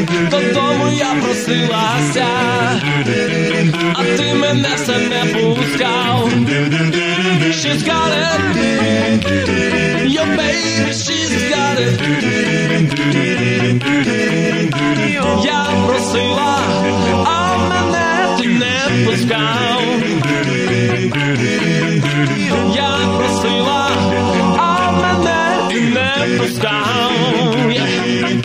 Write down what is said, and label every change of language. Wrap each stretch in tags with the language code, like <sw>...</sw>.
<uk>Додому я просилася, а ти мене все не пускав.</uk> <en>She's got it, your baby, she's got it.</en> <uk>Я просила, а мене ти не пускав. Я просила, а мене ти не пускав.</uk>